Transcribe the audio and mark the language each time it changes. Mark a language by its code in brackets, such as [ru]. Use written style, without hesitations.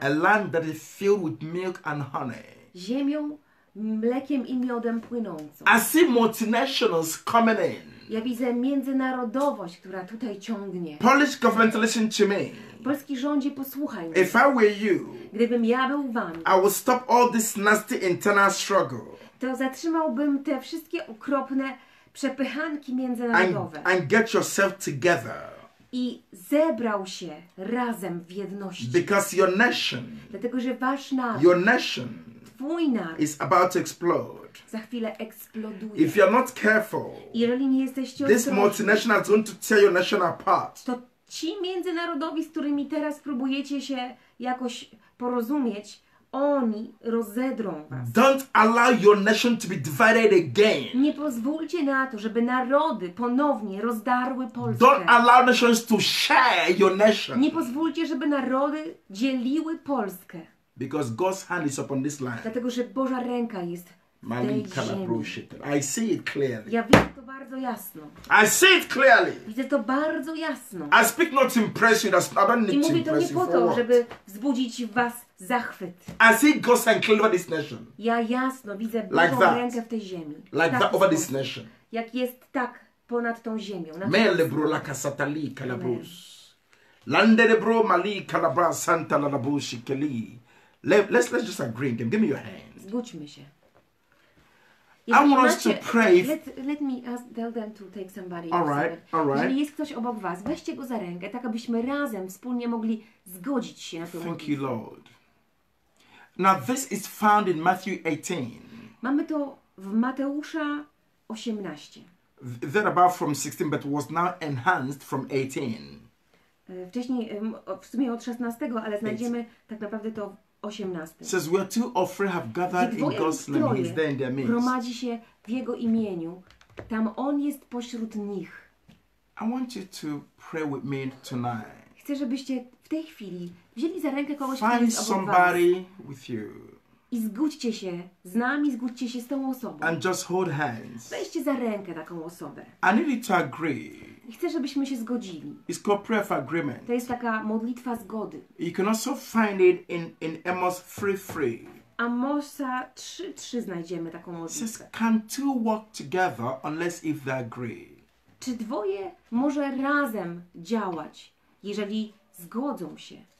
[en] A land that is filled with milk and honey. [pl] Ziemią mlekiem i miodem płynącą. [en] I see multinationals coming in. [pl] Ja widzę międzynarodowość, która tutaj ciągnie. [en] Polish government, listen to me. [pl] Polski rządzie, posłuchaj mnie. [en] If I were you, [pl] gdybym ja był wami, [en] I would stop all this nasty internal struggle. [pl] To zatrzymałbym te wszystkie okropne przepychanki międzynarodowe. [en] And get yourself together. [pl] I zebrał się razem w jedności. [en] Because your nation, [pl] dlatego że wasz naród, [en] your nation, [pl] twój naród [en] is about to explode. [pl] Za chwilę eksploduje. [en] If you're not careful, [pl] jeżeli nie jesteście ostrożni, [en] this multinational is going to tear your nation apart. [pl] To ci międzynarodowi, z którymi teraz próbujecie się jakoś porozumieć, oni rozedrą was. [en] Don't allow your nation to be divided again. [pl] Nie pozwólcie na to, żeby narody ponownie rozdarły Polskę. [en] Don't allow nations to share your nation. [pl] Nie pozwólcie, żeby narody dzieliły Polskę. [en] Because God's hand is upon this land. [pl] Dlatego że Boża ręka jest w tej ziemi. [en] I see it clearly. [pl] Ja widzę to bardzo jasno. [en] I see it clearly. [pl] Widzę to bardzo jasno. [en] I speak not to impress you, I don't need [pl] I mówię [en] to [pl] nie po to, żeby wzbudzić w was zachwyt. [en] I see God's hand clearly over this nation. [pl] Ja jasno widzę Bożą [en] like [pl] rękę w tej ziemi. [en] Like that over this nation. [pl] Jak jest tak ponad tą ziemią. Mele bro la kasatali kalabus. Landere bro mali kalabra santa la labushi keli. [en] Let's just agree. Give me your hand. [pl] Zgódźmy się. Jeżeli [en] I want us to pray. Let me ask, tell them to take somebody. All right, all right. [pl] Jeżeli jest ktoś obok was, weźcie go za rękę, tak abyśmy razem, wspólnie mogli zgodzić się na to. [en] Thank you, Lord. Now this is found in Matthew 18. [pl] Mamy to w Mateusza 18. [en] There about from 16, but was now enhanced from 18. [pl] Wcześniej, w sumie od 16, ale znajdziemy 18. Tak naprawdę to [en] 18. Says where two or three have gathered in God's name, he's there in their midst. [pl] Gromadzi się w jego imieniu, tam on jest pośród nich. [en] I want you to pray with me tonight. [pl] Chcę, żebyście w tej chwili wzięli za rękę kogoś, kto jest obok [en] somebody [pl] was. [en] With you. [pl] I zgódźcie się z nami, zgódźcie się z tą osobą. [en] And just hold hands. [pl] Weźcie za rękę taką osobę. [en] I need you to agree. [pl] I chcę, żebyśmy się zgodzili. [en] It's called prayer of agreement. [pl] To jest taka modlitwa zgody. [en] You can also find it in Amos 3:3. [pl] Amosa 3:3 znajdziemy taką modlitwę. [en] It says, can two walk together unless if they agree? [pl] Czy dwoje może razem działać, jeżeli zgodzą się?